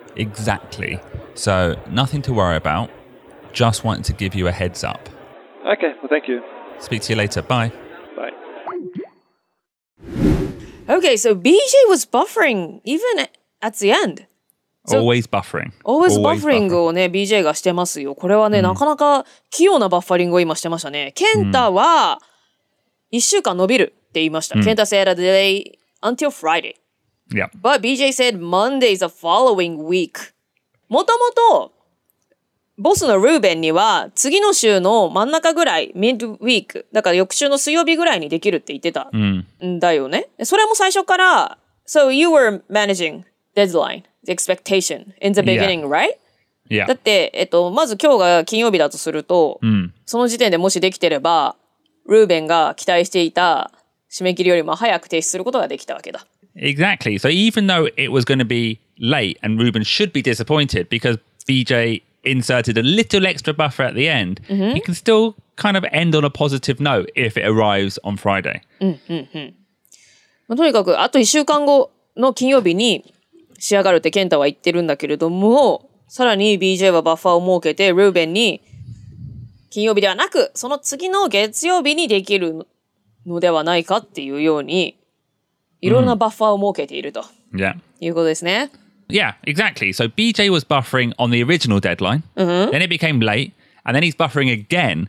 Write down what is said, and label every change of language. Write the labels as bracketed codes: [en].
[en] Exactly. So, nothing to worry about. Just wanted to give you a heads up. Okay, well, thank you. Speak to you later. Bye. Bye. Okay, so BJ was buffering even at the end. So, always buffering. Always buffering [ja] をね、BJ がしてますよ。これはね、なかなか器用なバッファリングを今してましたね。ケンタは1週間伸びるって言いました。 [en] ケンタ said a delay until Friday. Yeah. But BJ said Monday is the following week. [ja] もともとボスのルーベンには次の週の真ん中ぐらい、ミッドウィーク、だから翌週の水曜日ぐらいにできるって言ってたんだよね。うん、それも最初から、 [en] So you were managing deadline, the expectation in the beginning,、 right? Yeah. [ja] だって、まず今日が金曜日だとすると、うん、その時点でもしできてれば、ルーベンが期待していた締め切りよりも早く提出することができたわけだ。 [en] Exactly. So even though it was going to be late and Ruben should be disappointed because BJinserted a little extra buffer at the end, mm-hmm. he can still kind of end on a positive note if it arrives on Friday. [ja] とにかくあと1週間後の金曜日に仕上がるってケンタは言ってるんだけれども、さらに BJ はバッファーを設けてルーベンに金曜日ではなくその次の月曜日にできるのではないかっていうようにいろんなバッファーを設けていると、 [en] mm. yeah. [ja] いうことですね。 [en] Yeah, exactly. So BJ was buffering on the original deadline,、 mm-hmm. then it became late, and then he's buffering again、